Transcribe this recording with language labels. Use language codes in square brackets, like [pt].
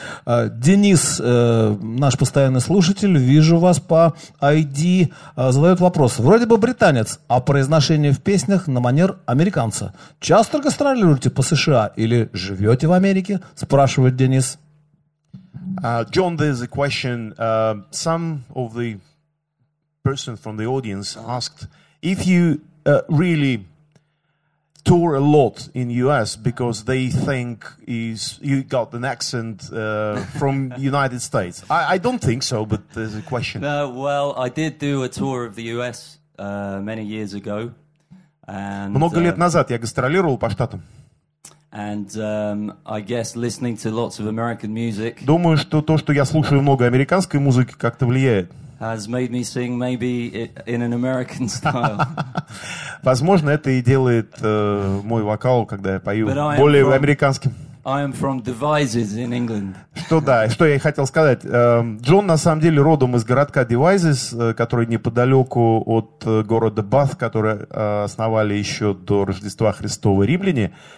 [ru] Денис, наш постоянный слушатель, вижу вас по ID, задает вопрос. Вроде бы британец, а произношение в песнях на манер американца. Часто гастролируете по США или живете в Америке? Спрашивает Денис. [en] John, there's a question. Some of the person from the audience asked if you really tour a lot in US because they think is you got an accent from United States. I don't think so, but there's a question. No, well, I did do a tour of the US many years ago. And, [ru] много лет назад я гастролировал по штатам. [en] And I guess listening to lots of American music. [ru] Думаю, что то, что я слушаю много американской музыки, как-то влияет. [en] Has made me sing maybe in an American style. [ru] Возможно, это и делает мой вокал, когда я пою более американским. [en] I am from Devizes in England. [ru] Что да, что я и хотел сказать. Джон на самом деле родом из городка Devizes, который неподалеку от города Bath, который основали еще до Рождества Христова римляне.